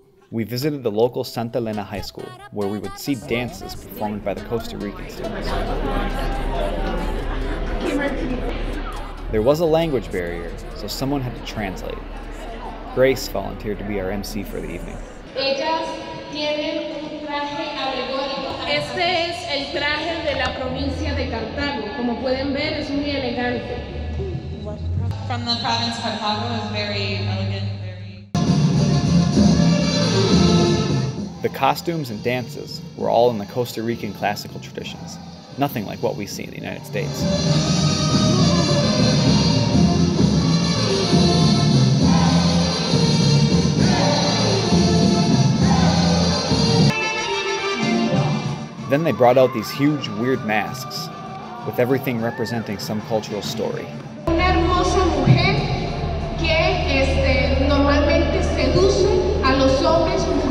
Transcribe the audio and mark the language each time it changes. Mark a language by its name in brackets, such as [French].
[English] We visited the local Santa Elena High School, where we would see dances performed by the Costa Rican students. There was a language barrier, so someone had to translate. Grace volunteered to be our MC for the evening. [Spanish] Ellas tienen un traje alegórico. Este es el traje de la provincia de Cartago. Como pueden ver, es muy elegante. [English] From the province of Cartago, it's very elegant. The costumes and dances were all in the Costa Rican classical traditions, nothing like what we see in the United States. Then they brought out these huge, weird masks, with everything representing some cultural story. [Spanish] Una hermosa mujer que normalmente seduce a los hombres.